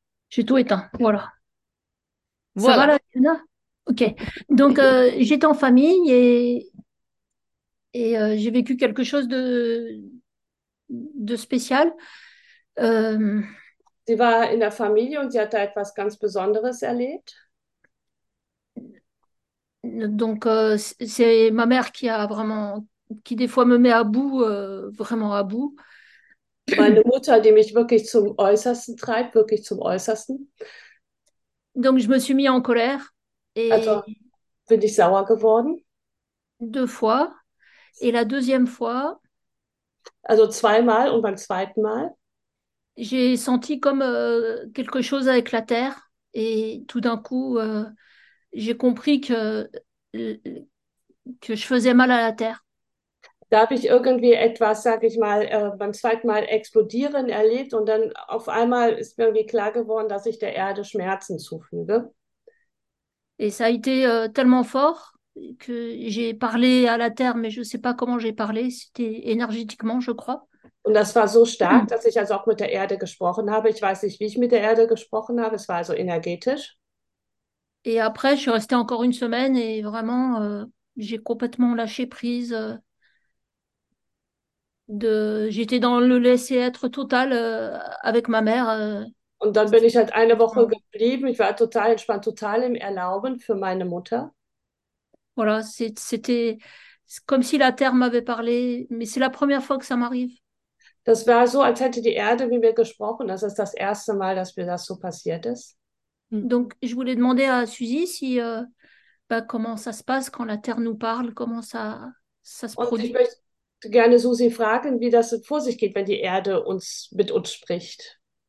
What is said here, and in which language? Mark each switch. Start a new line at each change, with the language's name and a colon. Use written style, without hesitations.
French: J'ai tout éteint. Voilà. Ça va Voilà. là, Léna? Ok. Donc, j'étais en famille et j'ai vécu quelque chose de spécial.
German: Sie war in der Familie und sie hatte etwas ganz Besonderes erlebt.
French: Donc, c'est ma mère qui a vraiment, qui des fois me met à bout, vraiment à bout.
German: Meine Mutter, die mich wirklich zum Äußersten treibt, wirklich zum Äußersten.
French: Donc, je me suis mis en colère
German: Also
French: et
German: bin ich sauer geworden.
French: deux fois. Et la deuxième fois,
German: Also zweimal und beim zweiten Mal.
French: j'ai senti comme quelque chose avec la terre. Et tout d'un coup, j'ai compris que je faisais mal à la terre.
German: Da habe ich irgendwie etwas, sage ich mal, beim zweiten Mal explodieren erlebt und dann auf einmal ist mir irgendwie klar geworden, dass ich der Erde Schmerzen zufüge.
French: Et ça a été tellement fort que j'ai parlé à la Terre, mais je ne sais pas comment j'ai parlé. C'était énergétiquement, je crois.
German: Und das war so stark, dass ich also auch mit der Erde gesprochen habe. Ich weiß nicht, wie ich mit der Erde gesprochen habe. Es war also energetisch.
French: Et après, je suis restée encore une semaine et vraiment, j'ai complètement lâché prise. J'étais dans le laisser-être total avec ma mère.
German: Und dann bin
French: C'était
German: ich halt eine Woche
French: super.
German: geblieben. Ich war total entspannt, total im Erlauben für meine Mutter.
French: Voilà, c'était comme si la Terre m'avait parlé, mais c'est la première fois que ça m'arrive.
German: Das war so, als hätte die Erde mit mir gesprochen. Das ist das erste Mal, dass mir das so passiert ist.
French: Donc, je voulais demander à Suzy si bah, comment ça se passe quand la Terre nous parle, comment ça se
German: Und ich möchte gerne Susi fragen, wie das vor sich geht, wenn die Erde uns mit uns spricht.